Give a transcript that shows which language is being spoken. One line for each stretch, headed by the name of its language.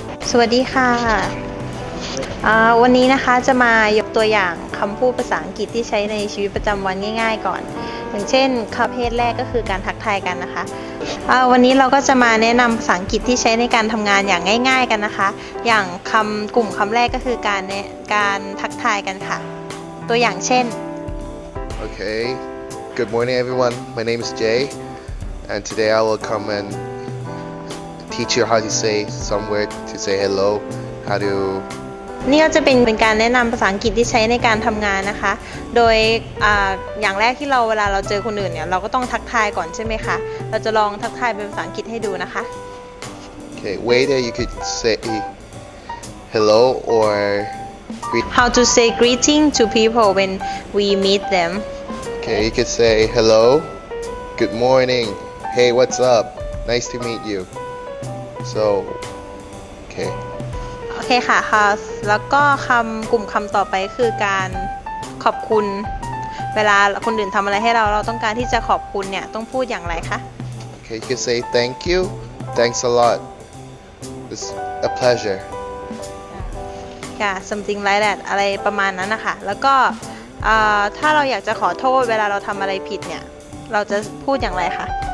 Thai: สวัสดีค่ะวันนี้นะคะจะมายกตัวอย่างคำพูดภาษาอังกฤษที่ใช้ในชีวิตประจำวันง่ายๆก่อนอย่างเช่นคำเพศแรกก็คือการทักทายกันนะคะวันนี้เราก็จะมาแนะนำภาษาอังกฤษที่ใช้ในการทำงานอย่างง่ายๆกันนะคะอย่างคำกลุ่มคำแรกก็คือการทักทายกันค่ะตัวอย่างเช่น
English: Okay, good morning everyone. My name is Jay, and today I will come andteach you how to say somewhere to say hello how to
Thai: นี่ก็จะเป็นการแนะนำภาษาอังกฤษที่ใช้ในการทำงานนะคะโดยอย่างแรกที่เวลาเราเจอคนอื่นเนี่ยเราก็ต้องทักทายก่อนใช่ไหมคะเราจะลองทักทายเป็นภาษาอังกฤษให้ดูนะคะ
English: Okay, waiter, you could say hello or how to say greeting to people when we meet them Okay, you could say hello good morning hey what's up nice to meet youSo, okay.
Thai: Okay, ค่ะ แล้วก็คำกลุ่มคำต่อไปคือการขอบคุณเวลาคนอื่นทำอะไรให้เราต้องการที่จะขอบคุณเนี่ยต้องพูดอย่างไรคะ
English: Okay, you can say thank you, thanks a lot, it's a pleasure. Yeah, something like that,
Thai: อะไรประมาณนั้นนะคะแล้วก็ถ้าเราอยากจะขอโทษเวลาเราทำอะไรผิดเนี่ยเราจะพูดอย่างไรคะ